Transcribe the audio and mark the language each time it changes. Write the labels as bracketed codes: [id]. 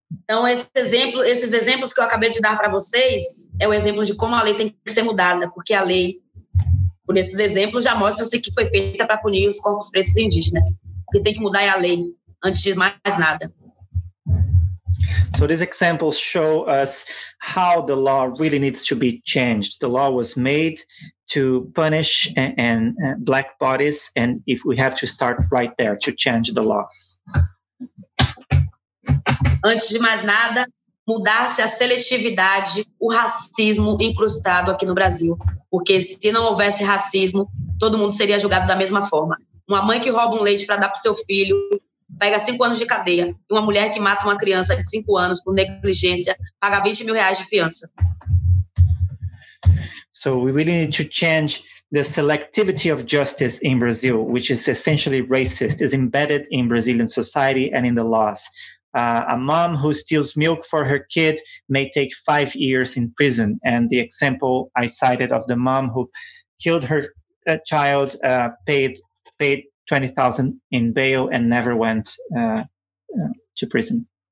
[pt] Então, esses exemplos que eu acabei de dar para vocês é o exemplo de como a lei tem que ser mudada, porque a lei, por esses exemplos, já mostra-se que foi feita para punir os corpos pretos e indígenas. O que tem que mudar é a lei, antes de mais nada. [en] So these examples show us how the law really needs to be changed. The law was made to punish and black bodies, and if we have to start right there to change the laws. [pt] Antes de mais nada, mudar-se a seletividade, o racismo incrustado aqui no Brasil. Porque se não houvesse racismo, todo mundo seria julgado da mesma forma. Uma mãe que rouba um leite para dar para o seu filho pega 5 anos de cadeia. E uma mulher que mata uma criança de 5 anos por negligência paga 20 mil reais de fiança. [en] So we really need to change the selectivity of justice in Brazil, which is essentially racist, is embedded in Brazilian society and in the laws. A mom who steals milk for her kid may take 5 years in prison. And the example I cited of the mom who killed her child paid 20,000 in bail and never went to prison.